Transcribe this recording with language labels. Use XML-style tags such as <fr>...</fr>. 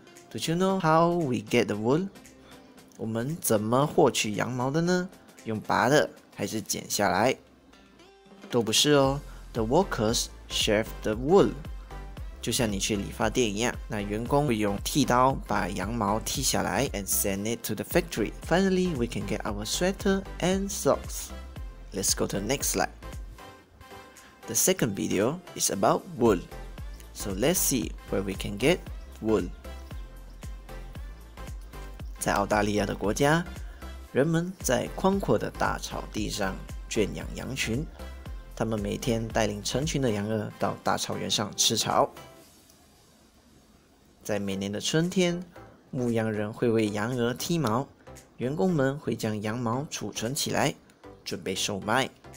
<en>Do you know how we get the wool?</en> <zh>我们怎么获取羊毛的呢？用拔的还是剪下来？都不是哦。</zh> <en>The workers shave the wool.</en> <zh>就像你去理发店一样，那员工会用剃刀把羊毛剃下来</zh> <en>and send it to the factory. Finally, we can get our sweater and socks. Let's go to the next slide. The second video is about wool. So let's see where we can get wool.</en> <zh>在澳大利亚的国家，人们在宽阔的大草地上圈养羊群。他们每天带领成群的羊儿到大草原上吃草。在每年的春天，牧羊人会为羊儿剃毛，员工们会将羊毛储存起来，准备售卖。</zh>